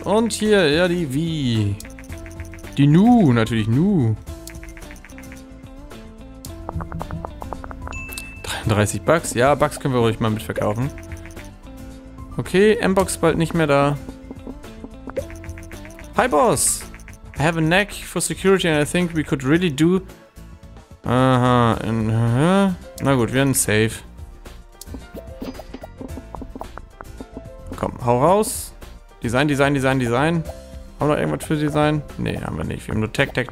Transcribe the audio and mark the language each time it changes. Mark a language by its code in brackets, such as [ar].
[de] Und hier, ja, die Wii. Die Nu, natürlich Nu. 33 Bugs. Ja, Bugs können wir ruhig mal mitverkaufen. Okay, M-Box bald nicht mehr da. [en] Hi, Boss. I have a knack for security and I think we could really do... [de] Aha, na gut, wir haben ein Safe. Komm, hau raus. Design. Haben wir noch irgendwas für Design? Nee, haben wir nicht. Wir haben nur Tech.